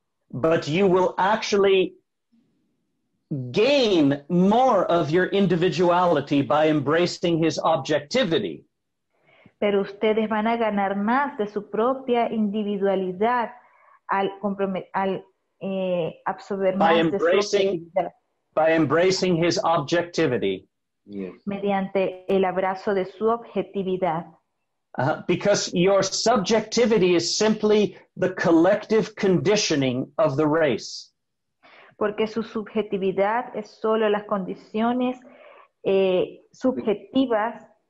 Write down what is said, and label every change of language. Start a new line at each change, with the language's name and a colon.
English: But you will actually gain more of your individuality by embracing his objectivity.
Spanish: Pero ustedes van a ganar más de su propia individualidad al absorber más de su objetividad.
English: By embracing his objectivity. Yes.
Spanish: Mediante el abrazo de su objetividad.
English: Because your subjectivity is simply the collective conditioning of the race.
Spanish: Porque su subjetividad es solo las condiciones subjetivas.